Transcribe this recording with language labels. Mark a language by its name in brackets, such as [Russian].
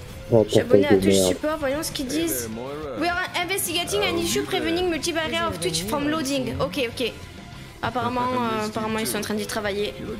[French] Je suis abonné à Twitch support, voyons ce qu'ils disent. [English] We are investigating an issue preventing multi-barrier of Twitch from loading. Ok. [French] Apparemment, ils sont en train d'y travailler.